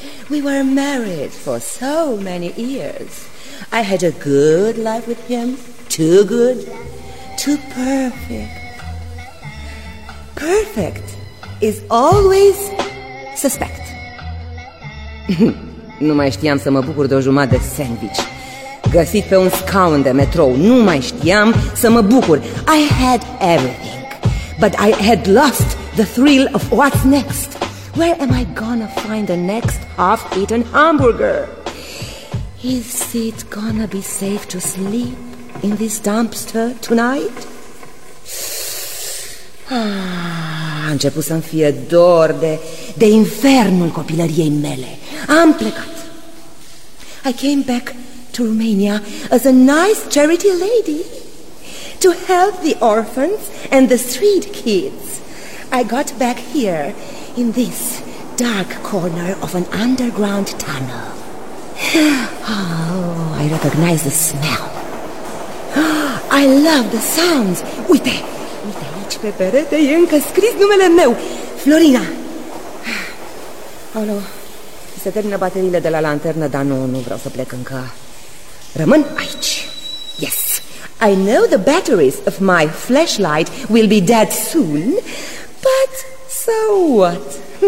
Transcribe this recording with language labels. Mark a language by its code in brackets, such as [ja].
[en] We were married for so many years. I had a good life with him. Too good. Too perfect. Perfect is always suspect. [ro] Nu mai știam să mă bucur de o jumătate de sandwich găsit pe un scaun de metrou. Nu mai știam să mă bucur. [en] I had everything, but I had lost the thrill of what's next. Where am I gonna find the next half-eaten hamburger? Is it gonna be safe to sleep in this dumpster tonight? [ro] A început să-mi fie dor de infernul copilăriei mele. Am plecat. [en] I came back to Romania as a nice charity lady to help the orphans and the street kids. I got back here in this dark corner of an underground tunnel. Oh, I recognize the smell. I love the sounds. [ro] Uite aici pe perete e încă scris numele meu, Florina. Alo, se termină bateriile de la lanternă, dar nu vreau să plec încă. Rămân aici. [en] Yes, I know the batteries of my flashlight will be dead soon, but so what?